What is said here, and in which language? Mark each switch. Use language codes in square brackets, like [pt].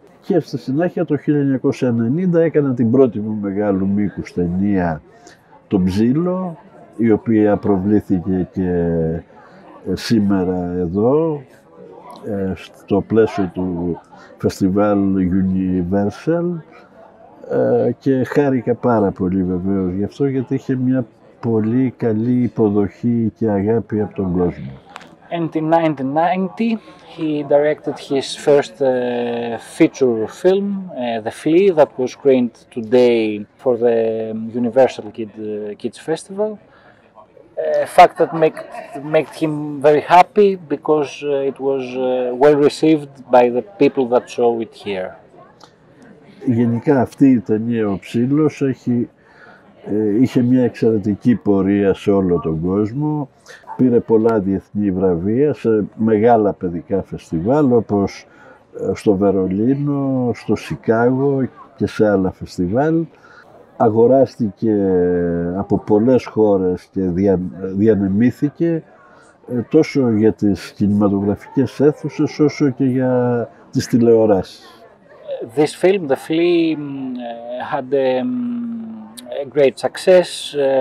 [el] Και στη συνέχεια το 1990 έκανα την πρώτη μου μεγάλου μήκους ταινία, το Ψήλο, η οποία προβλήθηκε και σήμερα εδώ, στο πλαίσιο του Φεστιβάλ Universal, και χάρηκα πάρα πολύ βεβαίως γι' αυτό, γιατί είχε μια πολύ καλή υποδοχή και αγάπη από τον κόσμο. [en] And in 1990 he directed his first feature film, The Flea, that was screened today for the Universal Kids Festival. A fact that made him very happy because it was well received by the people that saw it here. [el] Γενικά αυτή η ταινία, ο Ψήλος, είχε μια εξαιρετική πορεία σε όλο τον κόσμο. Πήρε πολλά διεθνή βραβεία σε μεγάλα παιδικά φεστιβάλ, όπως στο Βερολίνο, στο Σικάγο και σε άλλα φεστιβάλ. Αγοράστηκε από πολλές χώρες και διανεμήθηκε τόσο για τις κινηματογραφικές αίθουσες όσο και για τις τηλεοράσεις. [en] This film, The Flea, had a great success.